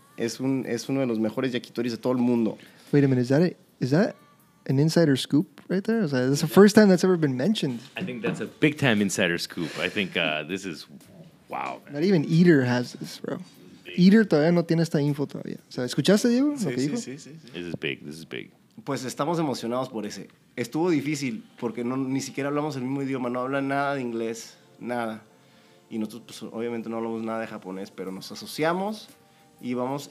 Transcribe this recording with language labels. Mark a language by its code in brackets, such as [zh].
[es] Es uno de los mejores yakitoris de todo el mundo. [en] Wait a minute, is that an insider scoop right there? Is that, that's the first time that's ever been mentioned. I think that's a big time insider scoop. I think this is wow. Man. Not even Eater has this, bro. [es] Eater todavía no tiene esta info todavía. O sea, ¿escuchaste, Diego? Sí, lo que sí, dijo? Sí, sí, sí, sí. [en] This is big, this is big. [es] Pues estamos emocionados por ese. Estuvo difícil porque no, ni siquiera hablamos el mismo idioma. No hablan nada de inglés, nada. Y nosotros, pues, obviamente no hablamos nada de japonés, pero nos asociamos y vamos.